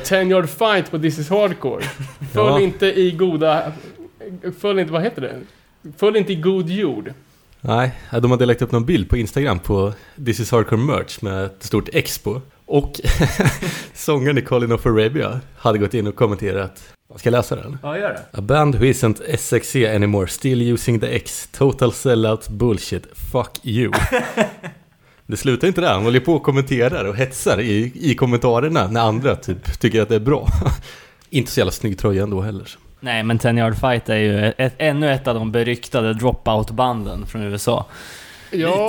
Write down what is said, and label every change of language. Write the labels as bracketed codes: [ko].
[sv] 10-yard fight på This is Hardcore. Följ inte i goda... Följ inte, vad heter det? Följ inte i god jord. Nej, de hade lagt upp någon bild på Instagram på This is Hardcore merch med ett stort X på. Och sångaren i Calling of Arabia hade gått in och kommenterat. Jag ska läsa den. Ja, gör det. [en] A band who isn't SXC anymore, still using the X. Total sellout bullshit. Fuck you. [sv] Det slutar inte där. Han håller på och kommenterar och hetsar i kommentarerna när andra typ tycker att det är bra. Inte så jävla snygg tröja ändå heller. Nej, men 10-yard fight är ju ännu ett av de beryktade dropout-banden från USA. Ja.